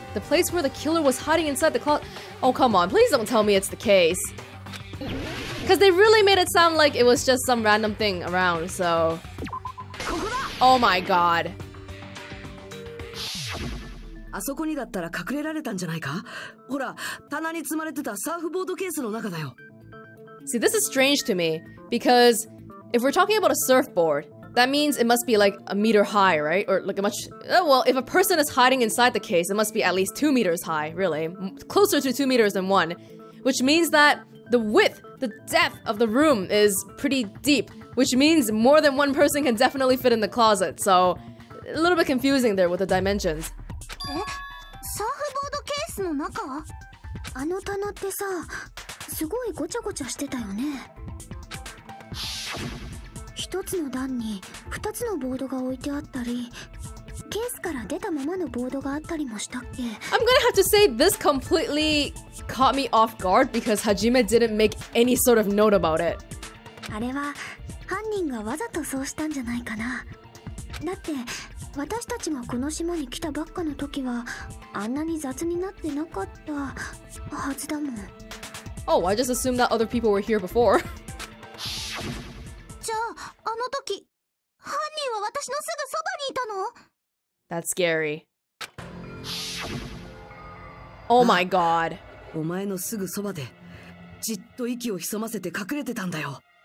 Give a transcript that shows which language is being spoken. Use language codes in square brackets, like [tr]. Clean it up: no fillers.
[en] The place where the killer was hiding inside the closet. Oh, come on. Please don't tell me it's the case. Because they really made it sound like it was just some random thing around, so... Oh my god. [ja] あそこにだったら隠れられたんじゃないか？ほら、棚に積まれてたサーフボードケースの中だよ。 [en] See, this is strange to me, because if we're talking about a surfboard, that means it must be like a meter high, right? Or like a much... Well, if a person is hiding inside the case, it must be at least 2 meters high, really. Closer to 2 meters than one. Which means that the width, the depth of the room is pretty deep. Which means more than one person can definitely fit in the closet. So, a little bit confusing there with the dimensions. [ja] え?サーフボードケースの中? あの棚ってさ、すごいごちゃごちゃしてたよね。一つの段に二つのボードが置いてあったり、ケースから出たままのボードがあったりもしたっけ? [en] I'm gonna have to say this completely caught me off guard because Hajime didn't make any sort of note about it. [ja] あれは犯人がわざとそうしたんじゃないかな。だって、私たちがこの島に来たばっかの時はあんなに雑になってなかったはずだもん。 [en] Oh, I just assumed that other people were here before. [ja] じゃあ、あの時、犯人は私のすぐそばにいたの? [en] That's scary. Oh my god. [ja] お前のすぐそばで、じっと息を潜ませて隠れてたんだよ。